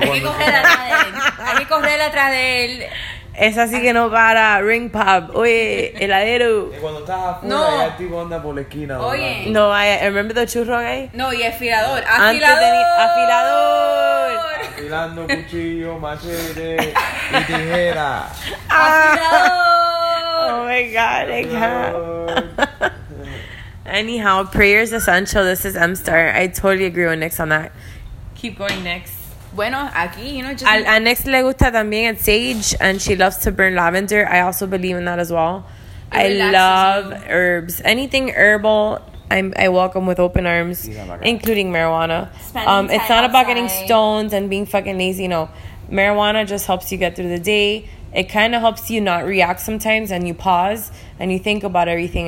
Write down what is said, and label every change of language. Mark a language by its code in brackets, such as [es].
[es] Hay que correr atrás de él. Esa sí que no para. Ring pop. Oye, heladero. Y cuando estás afuera, no. Ya el tipo anda por la esquina. Oye. [en] No, remember the churro guy? [es] No, y afilador. Afilador. Afilando cuchillo, machete y tijera. Afilador. [en] Oh my God, I can't. Anyhow, prayer is essential. This is M-Star. I totally agree with Nyx on that. Keep going, Nyx. [es] Bueno, aquí, [en] you know, just... [es] A Nyx le gusta también el sage, [en] and she loves to burn lavender. I also believe in that as well. I love herbs. Anything herbal, I welcome with open arms, including marijuana. It's not about getting stones and being fucking lazy, no. Marijuana just helps you get through the day. It kind of helps you not react sometimes, and you pause, and you think about everything.